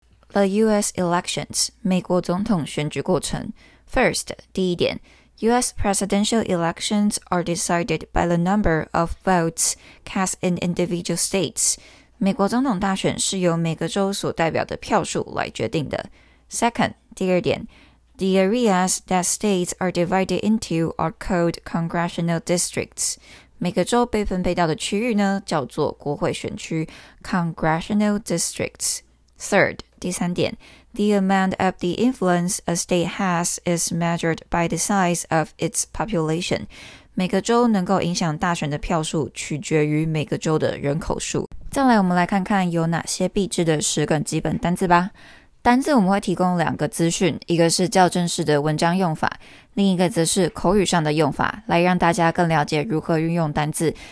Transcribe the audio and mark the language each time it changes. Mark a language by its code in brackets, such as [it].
[en] The US elections， [zh] 美国总统选举过程。 [en] First， [zh] 第一点， [en] U.S. presidential elections are decided by the number of votes cast in individual states. [zh] 美国总统大选是由每个州所代表的票数来决定的。 [en] Second, [zh] 第二点， [en] the areas that states are divided into are called congressional districts. [zh] 每个州被分配到的区域呢，叫做国会选区 ,congressional districts. [en] Third, [zh] 第三点， [en] The amount of the influence a state has is measured by the size of its population. [zh] 每个州能够影响大选的票数取决于每个州的人口数。再来，我们来看看有哪些必知的十个基本单字吧。单字我们会提供两个资讯，一个是较正式的文章用法，另一个则是口语上的用法，来让大家更了解如何运用单字。